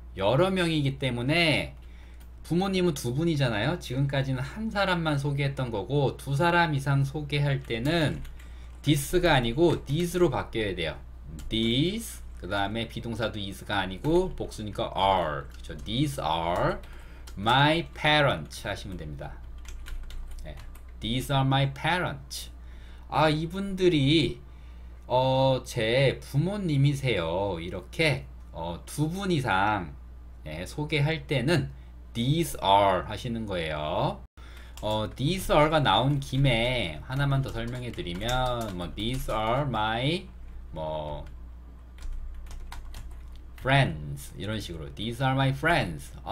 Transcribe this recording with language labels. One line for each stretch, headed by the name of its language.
Korean: 여러 명이기 때문에 부모님은 두 분이잖아요. 지금까지는 한 사람만 소개했던 거고 두 사람 이상 소개할 때는 this가 아니고 these로 바뀌어야 돼요. these 그다음에 비동사도 is가 아니고 복수니까 are. 그렇죠?
English: These are my parents
Korean: 하시면 됩니다.
English: 네. These are my parents.
Korean: 아, 이분들이 제 부모님이세요. 이렇게 두분 이상 네, 소개할 때는 These are 하시는 거예요. These are가 나온 김에 하나만 더 설명해 드리면, 뭐 These are my 뭐 friends 이런 식으로
English: These are my friends.